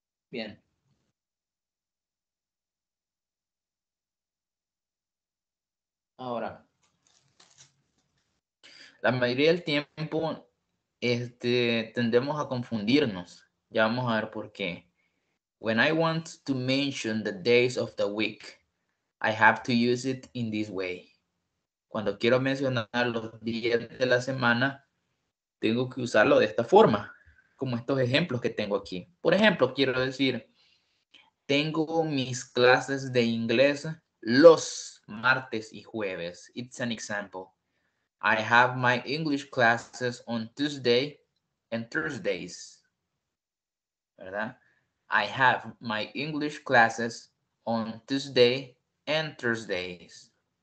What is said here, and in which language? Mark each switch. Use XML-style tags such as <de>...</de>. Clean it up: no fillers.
<es>Bien. Ahora, la mayoría del tiempo tendemos a confundirnos. Ya vamos a ver por qué.</es> <en>When I want to mention the days of the week, I have to use it in this way.</en> <es>Cuando quiero mencionar los días de la semana, tengo que usarlo de esta forma, como estos ejemplos que tengo aquí. Por ejemplo, quiero decir, tengo mis clases de inglés los martes y jueves.</es> <en>It's an example. I have my English classes on Tuesday and Thursdays. ¿Verdad? I have my English classes on Tuesday and Thursdays.</en>